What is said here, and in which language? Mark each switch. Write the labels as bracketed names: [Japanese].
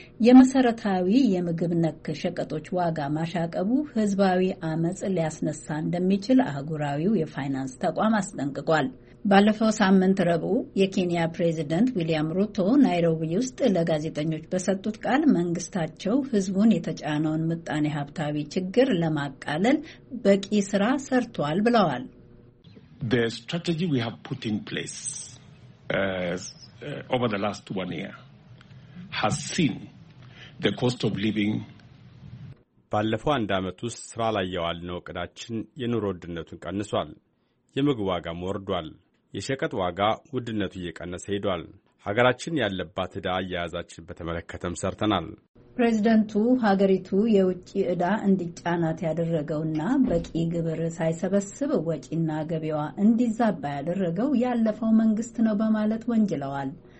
[Amharic] የመሰረታዊ የምግብ ነክ ሸቀጦች ዋጋ ማሻቀቡ ህዝባዊ አመጽ ሊያስነሳ እንደሚችል አህጉራዊው የፋይናንስ ተቋም አስጠንቅቋል። ባለፈው ሳምንት ረቡዕ የኬንያ ፕሬዚደንት ዊሊያም ሩቶ ናይሮቢ ውስጥ ለጋዜጠኞች በሰጡት ቃል መንግስታቸው ህዝቡን የተጫነውን ምጣኔ ሀብታዊ ችግር ለማቃለል በቂ ስራ ሰርቷል ብለዋል። [English] The strategy we have put in place over the last 1 year has seen the cost of living [Amharic] ባለፈው አንድ አመት ውስጥ ስራ ላይ ያለው ቀዳችን የኑሮ ውድነቱን ቀንሷል። የምግብ ዋጋም ወርዷል። የሸቀጥ ዋጋ ውድነቱ እየቀነሰ ሄዷል። ሀገራችን ያለባት ዕዳ ያያዛችን በተመለከተም ሰርተናል። ፕሬዚደንቱ ሀገሪቱ የውጭ ዕዳ እንዲጫናት ያደረገውና በቂ ግብር ሳይሰበስብ ወጪና ገቢዋ እንዲዛባ ያደረገው ያለፈው መንግስት ነው በማለት ወንጅለዋል።